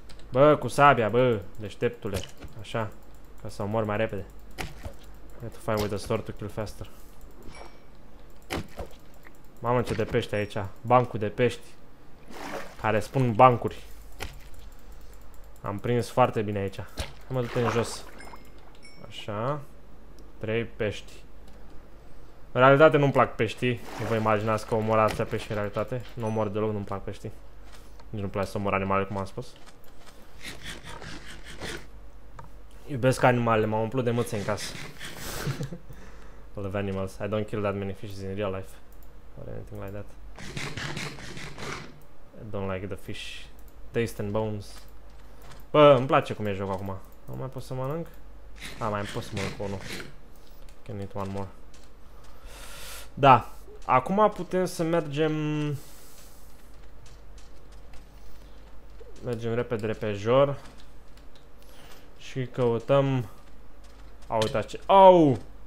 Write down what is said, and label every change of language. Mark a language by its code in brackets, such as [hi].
[ro] Bă, cu sabia, bă, deșteptule. Așa, ca să omor mai repede. [en] I have to fight with the sword to kill faster. [ro] Mamă, ce de pește aici. Bancul de pești. Care spun bancuri. Am prins foarte bine aici. Hai mă, du-te în jos. Așa. Trei pești. În realitate nu-mi plac peștii. Nu vă imaginați că omor astea pești în realitate. Nu omor deloc, nu-mi plac peștii. Nici nu-mi place să omor animale, cum am spus. Iubesc animalele, m-au umplut de mâțe în casă. [en] All of animals. I don't kill that many fishes in real life. Or anything like that. I don't like the fish. Taste and bones. [ro] Bă, îmi place cum e jocul acum. Nu mai pot să mănânc? A, mai pot să mănânc unul. [en] Can eat one more. [ro] Da. Acum putem să mergem... mergem repede, repede jor. Și căutăm... A, uitați ce... Au!